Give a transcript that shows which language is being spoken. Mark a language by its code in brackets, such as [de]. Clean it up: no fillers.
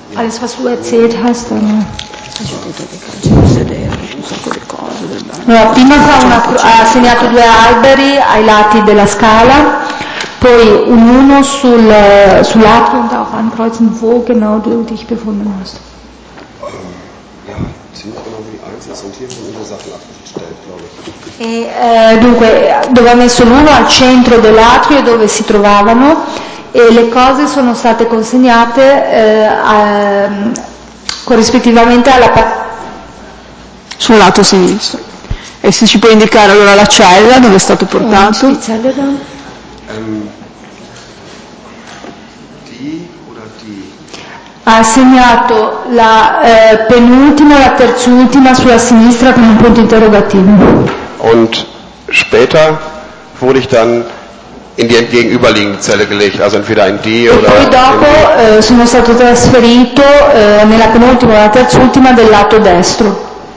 [de] alles was du erzählt hast, dann. [it] Allora, prima fa una, ha segnato due alberi ai lati della scala, poi un uno sul, sull'atrio e [de] auch ankreuzen, wo genau du dich befunden hast. [it] E dunque, dove ha messo l'uno? Al centro dell'atrio e dove si trovavano. E le cose sono state consegnate a, corrispettivamente alla sul lato sinistro. E se ci puoi indicare allora la cella dove è stato portato? Oh, Ha segnato la penultima, la terzultima sulla sinistra con un punto interrogativo. [de] Und später wurde ich dann in die gegenüberliegende Zelle gelegt, also entweder in D oder. [it] E poi dopo sono stato trasferito nella penultima, la terzultima del lato destro.